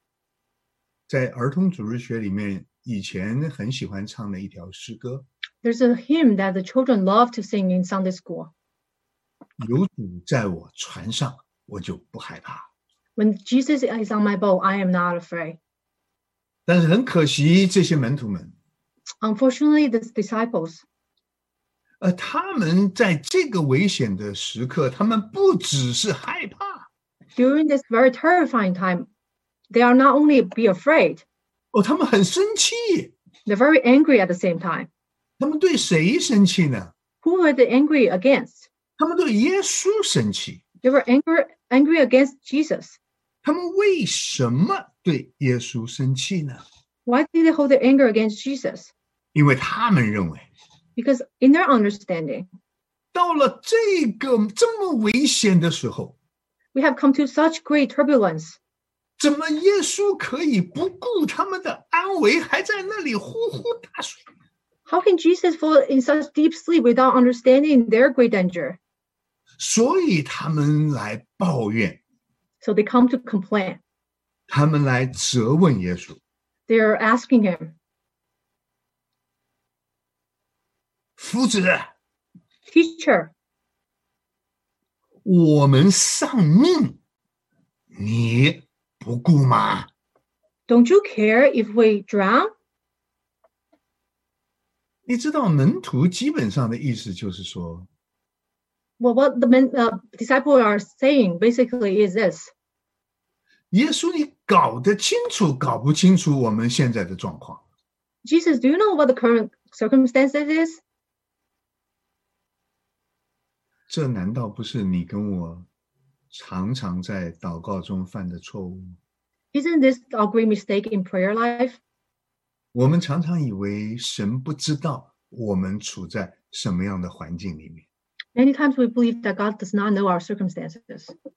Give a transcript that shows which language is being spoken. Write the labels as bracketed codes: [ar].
[zh] 我们小朋友在儿童主日学里面 以前很喜欢唱的一条诗歌, [en] There's a hymn that the children love to sing in Sunday school. [zh] 有主在我船上, 我就不害怕。 [en] When Jesus is on my boat, I am not afraid. [zh] 但是很可惜, 这些门徒们, [en] Unfortunately, the disciples. [zh] 他们在这个危险的时刻, 他们不只是害怕。 [en] During this very terrifying time, they are not only be afraid, [zh] 哦, 他们很生气, [en] They're very angry at the same time. [zh] 他们对谁生气呢? [en] Who were they angry against? [zh] 他们对耶稣生气, [en] They were angry against Jesus. [zh] 他们为什么对耶稣生气呢? [en] Why did they hold their anger against Jesus? [zh] 因为他们认为, [en] Because in their understanding, [zh] 到了这个这么危险的时候, [en] We have come to such great turbulence. [zh] 怎么耶稣可以不顾他们的安危还在那里呼呼大睡? [en] How can Jesus fall in such deep sleep without understanding their great danger? [zh] 所以他们来抱怨, [en] So they come to complain. [zh] 他们来责问耶稣, [en] They are asking him, [zh] 夫子, [en] Teacher, [zh] 我们丧命, 你, 不顾吗? [en] Don't you care if we drown? [zh] 你知道门徒基本上的意思就是说, [en] Well, what the disciples are saying basically is this. [zh] 耶稣你搞得清楚, 搞不清楚我们现在的状况? [en] Jesus, do you know what the current circumstances is? [zh] 这难道不是你跟我常常在祷告中犯的错误吗? [en] Isn't this a great mistake in prayer life? [zh] 我们常常以为神不知道我们处在什么样的环境里面。 [en] Many times we believe that God does not know our circumstances.